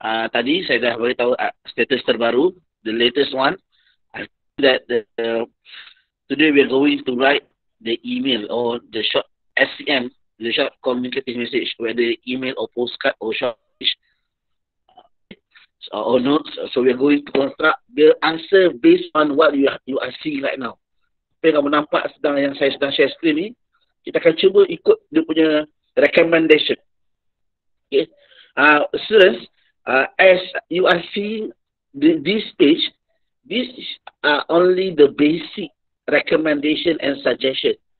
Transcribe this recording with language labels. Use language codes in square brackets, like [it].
[ms] Tadi saya dah beritahu status terbaru, [en] the latest one, that today we are going to write the email or the short SCM, the short communicative message, whether email or postcard or short message or notes. So we are going to construct the answer based on what you are seeing right now. [ms] Apa yang kamu nampak sedang yang saya sedang share screen ni, kita akan cuba ikut dia punya recommendation. Okay. [en] Students, as you are seeing this page, this is only the basic recommendation and suggestion.